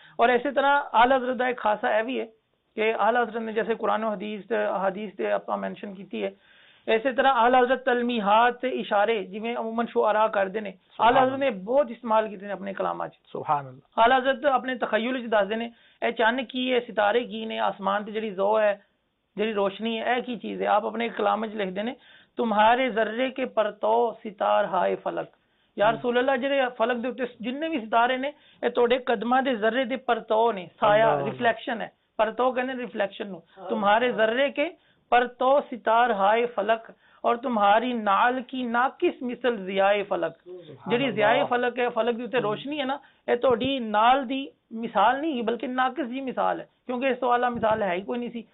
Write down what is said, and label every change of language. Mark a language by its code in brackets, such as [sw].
[pa] اور اسی طرح اعلی حضرت دا ایک خاصا ہے بھی ہے کہ اعلی حضرت نے جیسے قرآن و حدیث اپا مینشن کیتی ہے, ایسے طرح اعلی حضرت تلمیحات سے اشارے جویں عموماً شعرا کر دینے, اعلی حضرت نے بہت استعمال کیتے اپنے کلامات. [ar] سبحان اللہ. [pa] اعلی حضرت اپنے تخیل وچ دس دینے اے چن کی ہے, ستارے کی نے, آسمان تے جڑی ذو ہے جڑی روشنی ہے اے کی چیز ہے. آپ اپنے کلام وچ لکھ دینے [ur] تمہارے ذرے کے پرتو ستار ہائے فلک. [pa] یا رسول اللہ جڑے فلک دے اتنے جن بھی ستارے نے اے تہاڈے قدماں دے ذرے دے پرتو نے, سایہ ریفلیکشن ہے, پرتو کہنے ریفلیکشن نو. [ur] تمہارے ذرے کے پرتو ستار ہائے فلک, اور تمہاری نال کی ناقص مثل ضیائے فلک. [pa] جڑی ضیائے فلک ہے, فلک دی تے روشنی ہے نا, اے تہاڈی نال دی مثال نہیں بلکہ ناقص دی مثال ہے, کیونکہ اس تو اعلی مثال ہے ہی کوئی نہیں سی.